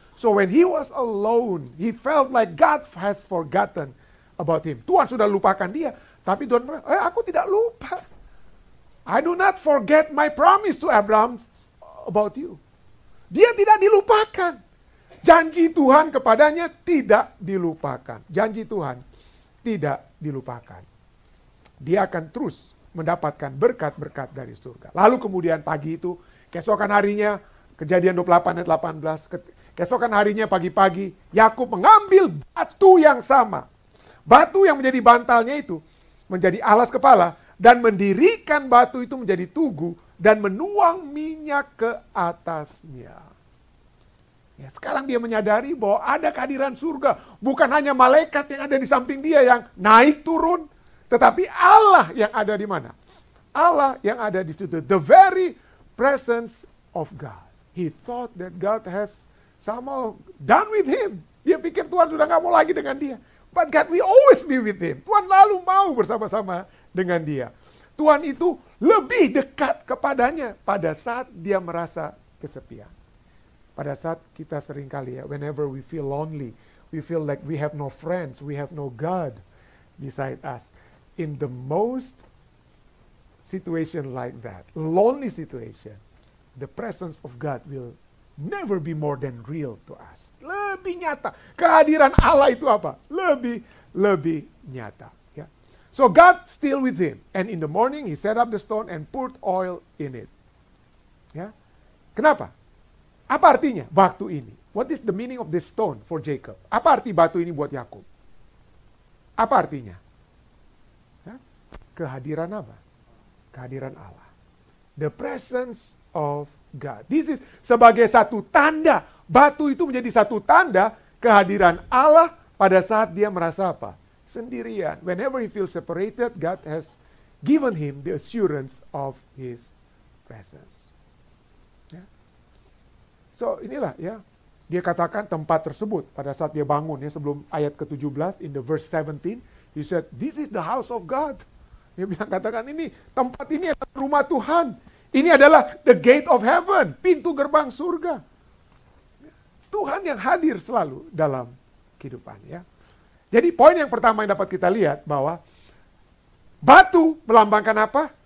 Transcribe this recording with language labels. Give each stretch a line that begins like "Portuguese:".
English: So when he was alone, he felt like God has forgotten about him.
Indonesian: Tuhan sudah lupakan dia. Tapi Tuhan, aku tidak lupa.
English: I do not forget my promise to Abraham about you.
Indonesian: Dia tidak dilupakan. Janji Tuhan kepadanya tidak dilupakan. Janji Tuhan tidak dilupakan. Dia akan terus mendapatkan berkat-berkat dari surga. Lalu kemudian pagi itu, keesokan harinya, Kejadian 28 ayat 18, keesokan harinya pagi-pagi, Yakub mengambil batu yang sama. Batu yang menjadi bantalnya itu, menjadi alas kepala, dan mendirikan batu itu menjadi tugu, dan menuang minyak ke atasnya. Ya, sekarang dia menyadari bahwa ada kehadiran surga, bukan hanya malaikat yang ada di samping dia yang naik turun, tetapi Allah yang ada di mana? Allah yang ada di situ.
English: The very presence of God. He thought that God has somehow done with him.
Indonesian: Dia pikir Tuhan sudah gak mau lagi dengan dia.
English: But God, we always be with him.
Indonesian: Tuhan lalu mau bersama-sama dengan dia. Tuhan itu lebih dekat kepadanya pada saat dia merasa kesepian. Pada saat kita seringkali, ya,
English: whenever we feel lonely, we feel like we have no friends, we have no God beside us. In the most situation like that, lonely situation, the presence of God will never be more than real to us.
Indonesian: Lebih nyata. Kehadiran Allah itu apa? Lebih nyata.
English: Ya. So God still with him. And in the morning he set up the stone and put oil in it.
Indonesian: Ya. Kenapa? Apa artinya batu ini?
English: What is the meaning of this stone for Jacob?
Indonesian: Apa arti batu ini buat Yakub? Apa artinya? kehadiran apa? Kehadiran Allah.
English: The presence of God. This is
Indonesian: sebagai satu tanda. Batu itu menjadi satu tanda kehadiran Allah pada saat dia merasa apa? Sendirian.
English: Whenever he feels separated, God has given him the assurance of his presence.
Indonesian: Yeah. So inilah ya. Yeah. Dia katakan tempat tersebut pada saat dia bangun ya sebelum ayat ke-17
English: in the verse 17. He said, this is the house of God.
Indonesian: Dia bilang katakan ini, tempat ini adalah rumah Tuhan. Ini adalah
English: the gate of heaven,
Indonesian: pintu gerbang surga. Tuhan yang hadir selalu dalam kehidupan. Ya. Jadi poin yang pertama yang dapat kita lihat bahwa batu melambangkan apa?